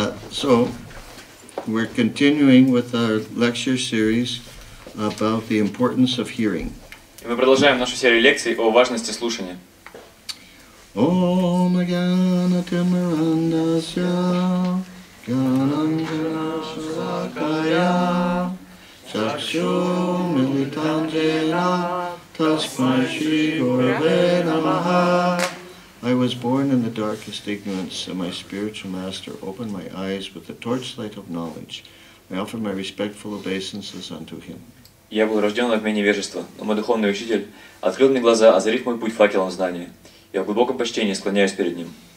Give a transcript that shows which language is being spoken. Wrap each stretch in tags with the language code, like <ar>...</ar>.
<en>So, we're continuing with our lecture series about the importance of hearing.</en> <ru>Мы продолжаем нашу серию лекций о важности слушания.</ru> <sa>Om Gana Timurandasya Gananjana Sulakaya Chakshu Militanjena Tasmai Shri Gurave Namaha.</sa> <en>I was born in the darkest ignorance, and my spiritual master opened my eyes with the torchlight of knowledge. I offer my respectful obeisances unto him.</en> <ru>Я был рожден во тьме невежества, но мой духовный учитель открыл мне глаза, озарив мой путь факелом знания. Я в глубоком почтении склоняюсь перед ним.</ru>